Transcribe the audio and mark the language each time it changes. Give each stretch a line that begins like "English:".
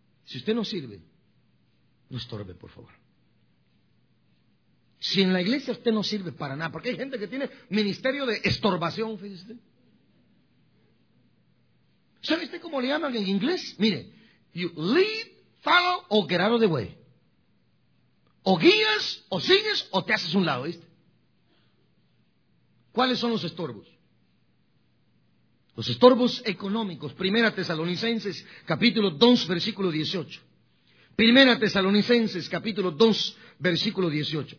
Spanish: Si usted no sirve, no estorbe, por favor. Si en la iglesia usted no sirve para nada, porque hay gente que tiene ministerio de estorbación, fíjese. ¿Sabe usted cómo le llaman en inglés? Mire,
English: you lead, follow o get out of the way.
Spanish: O guías, o sigues, o te haces un lado, ¿viste? ¿Cuáles son los estorbos? Los estorbos económicos. Primera Tesalonicenses, capítulo 2, versículo 18. Primera Tesalonicenses, capítulo 2, versículo 18.